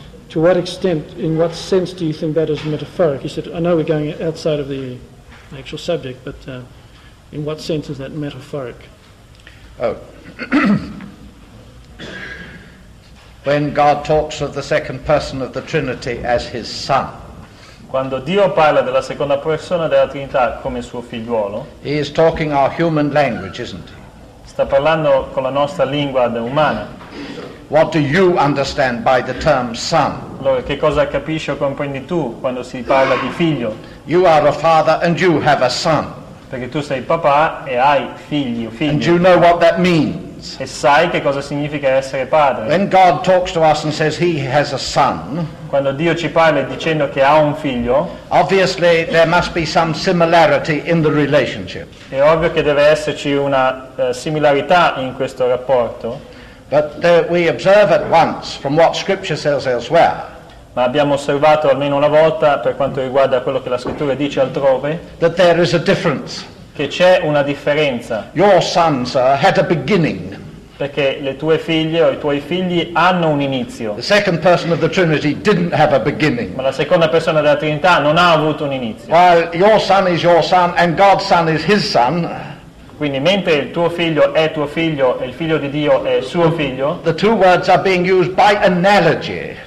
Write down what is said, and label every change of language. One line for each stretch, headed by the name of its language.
English: To what extent, in what sense do you think that is metaphoric? He said, I know we're going outside of the actual subject, but in what sense is that metaphoric? Oh. When God talks of the second person of the Trinity as his Son,
Italian: quando Dio parla della seconda persona della Trinità come suo figliuolo,
English: he is talking our human language, isn't he?
Italian: Sta parlando con la nostra lingua umana.
English: What do you understand by the term son?
Italian: Allora, che cosa capisci o comprendi tu quando si parla di figlio?
English: You are a father and you have a son.
Italian: Perché tu sei papà e hai figli o figlie.
English: And you know what that means.
Italian: E sai che cosa significa essere padre.
English: When God talks to us and says he has a son,
Italian: quando Dio ci parla dicendo che ha un figlio,
English: obviously there must be some similarity in the relationship.
Italian: È ovvio che deve esserci una similarità in questo rapporto.
English: But we observe at once from what Scripture says elsewhere.
Italian: Ma abbiamo osservato almeno una volta per quanto riguarda quello che la Scrittura dice altrove.
English: That there is a difference.
Italian: Che c'è una differenza.
English: Your son, sir, had a beginning.
Italian: Perché le tue figlie o i tuoi figli hanno un inizio.
English: The second person of the Trinity didn't have a beginning.
Italian: Ma la seconda persona della Trinità non ha avuto un inizio.
English: While your son is your son and God's son is his son.
Italian: Quindi mentre il tuo figlio e il figlio di Dio è suo figlio,
English: the two words are being used by analogy.